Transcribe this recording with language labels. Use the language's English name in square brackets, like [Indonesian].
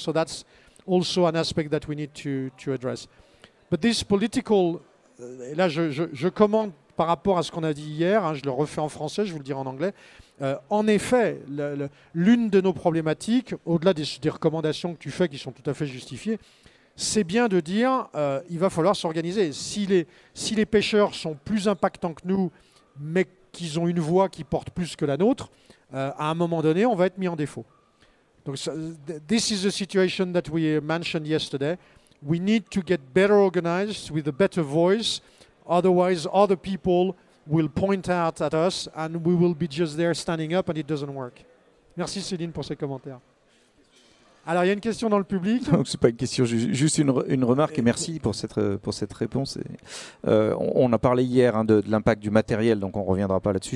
[English] So that's also an aspect that we need to address. But this political, [French] là je commente par rapport à ce qu'on a dit hier, hein, je le refais en français, je vous le dirai en anglais. En effet, l'une de nos problématiques, au-delà des recommandations que tu fais qui sont tout à fait justifiées, c'est bien de dire il va falloir s'organiser. Si les pêcheurs sont plus impactants que nous, mais qu'ils ont une voix qui porte plus que la nôtre, à un moment donné, on va être mis en défaut. [English] Donc, this is the situation that we mentioned yesterday. We need to get better organized with a better voice. Otherwise, other people will point out at us and we will be just there standing up and it doesn't work. [French] Merci Céline pour ces commentaires. Alors, il y a une question dans le public. Donc, c'est pas une question, juste une remarque et merci pour cette réponse. On a parlé hier de l'impact du matériel, donc on ne reviendra pas là-dessus.